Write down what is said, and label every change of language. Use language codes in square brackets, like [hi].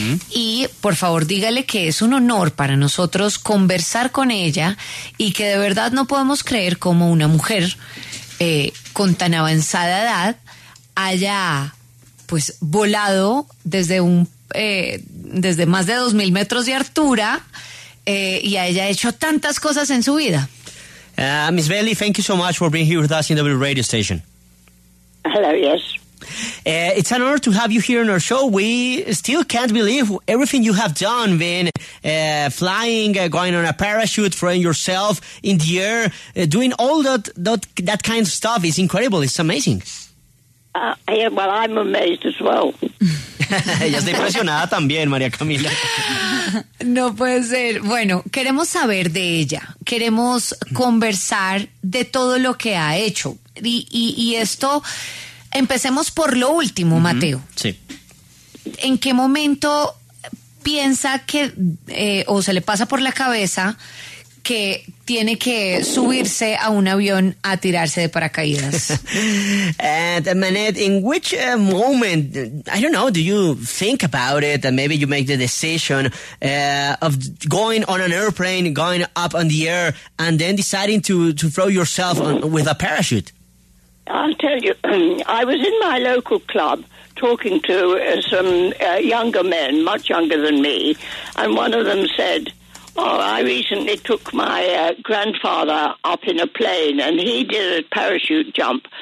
[es] Y por favor, dígale que es un honor para nosotros conversar con ella y que de verdad no podemos creer cómo una mujer con tan avanzada edad haya pues volado desde un desde más de 2.000 metros de altura y haya hecho tantas cosas en su vida. [en] Miss Bailey, thank you so much for being here with us in the radio station. Hello, yes. It's an honor to have you here on our show. We still can't believe everything you have done, been flying, going on a parachute, throwing yourself in the air, doing all that kind of stuff. It's incredible. It's amazing. Well, I'm amazed as well. [es] Ya estoy impresionada también, María Camila. No puede ser. Bueno, queremos saber de ella. Queremos conversar de todo lo que ha hecho. Y esto, empecemos por lo último, Mateo. Sí. ¿En qué momento piensa que, o se le pasa por la cabeza, que tiene que subirse a un avión a tirarse de paracaídas? [en] And Manette, in which moment, I don't know, do you think about it and maybe you make the decision of going on an airplane, going up on the air and then deciding to throw yourself with a parachute? I'll tell you, I was in my local club talking to some younger men, much younger than me, and one of them said, oh, I recently took my grandfather up in a plane and he did a parachute jump.